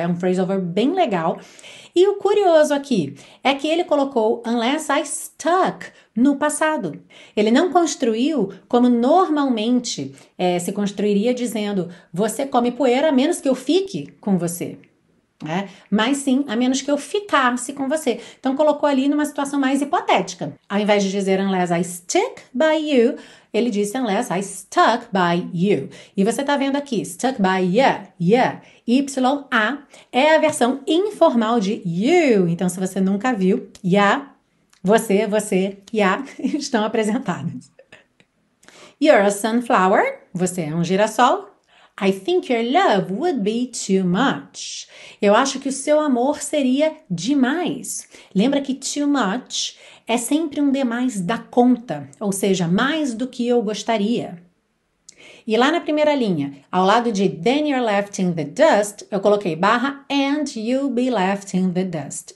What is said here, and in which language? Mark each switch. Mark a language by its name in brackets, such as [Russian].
[Portuguese] É um phrasal verb bem legal. E o curioso aqui é que ele colocou [English] unless I stuck [Portuguese] no passado. Ele não construiu como normalmente se construiria dizendo você come poeira a menos que eu fique com você. Né? Mas sim, a menos que eu ficasse com você. Então colocou ali numa situação mais hipotética. Ao invés de dizer [English] unless I stick by you, [Portuguese] ele disse [English] unless I stuck by you. [Portuguese] E você está vendo aqui, [English] stuck by you, [Portuguese] Y-A, é a versão informal de you. Então se você nunca viu, você, estão apresentados. [English] You're a sunflower, [Portuguese] você é um girassol. [English] I think your love would be too much. [Portuguese] Eu acho que o seu amor seria demais. Lembra que too much é sempre um demais da conta, ou seja, mais do que eu gostaria. E lá na primeira linha, ao lado de [English] then you're left in the dust, [Portuguese] eu coloquei barra [English] and you'll be left in the dust.